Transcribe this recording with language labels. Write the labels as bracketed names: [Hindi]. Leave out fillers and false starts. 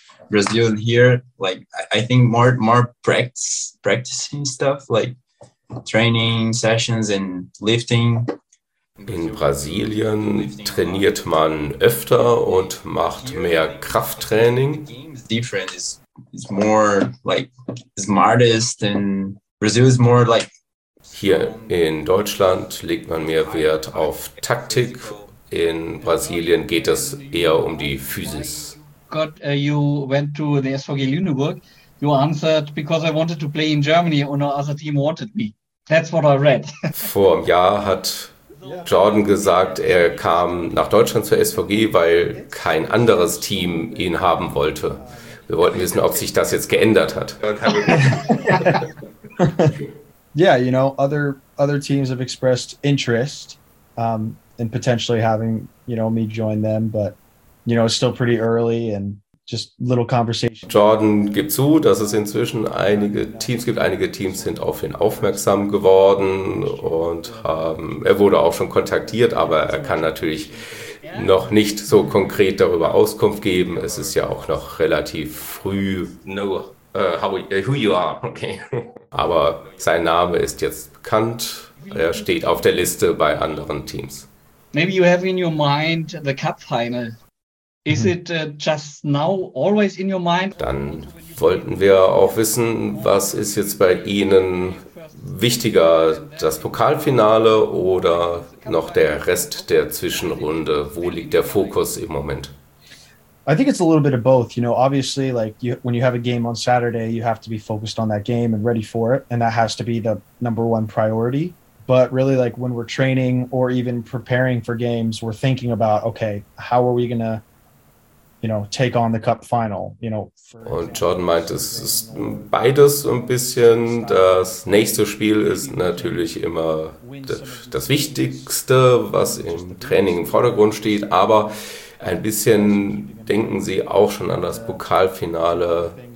[English] Brazil here, like I think more practicing stuff, like training sessions and lifting. [German] In Brasilien trainiert man öfter und macht mehr Krafttraining. [English] The game is different. It's more like smartest, and Brazil is more like. [German] Hier in Deutschland legt man mehr Wert auf Taktik. In Brasilien geht es eher um die Physis. [English] You went to the SVG Lüneburg. You answered because I wanted to play in Germany or no other team wanted me. That's what I read. [German] Vor einem Jahr hat Jordan gesagt, er kam nach Deutschland zur SVG, weil kein anderes Team ihn haben wollte. Wir wollten wissen, ob sich das jetzt geändert hat. [English] Yeah, you know, other teams have expressed interest in potentially having, you know, me join them, but you know, it's still pretty early and just little conversation. [German] Jordan gibt zu, dass es inzwischen einige Teams gibt. Einige Teams sind auf ihn aufmerksam geworden und er wurde auch schon kontaktiert, aber er kann natürlich noch nicht so konkret darüber Auskunft geben. Es ist ja auch noch relativ früh. [English] No, who you are, okay. [German] Aber sein Name ist jetzt bekannt. Er steht auf der Liste bei anderen Teams. [English] Maybe you have in your mind the cup final. Is it just now always in your mind? [German] Dann wollten wir auch wissen, was ist jetzt bei Ihnen wichtiger, das Pokalfinale oder noch der Rest der Zwischenrunde? Wo liegt der Fokus im Moment? [English] I think it's a little bit of both. You know, obviously, like you, when you have a game on Saturday, you have to be focused on that game and ready for it, and that has to be the number one priority. But really, like when we're training or even preparing for games, we're thinking about, okay, how are we gonna, you know, take on the cup final, you know. [German] Und Jordan meint, es ist beides ein bisschen. Das nächste Spiel ist natürlich immer das Wichtigste, was im Training im Vordergrund steht. Aber ein bisschen denken sie auch schon an das Pokalfinale.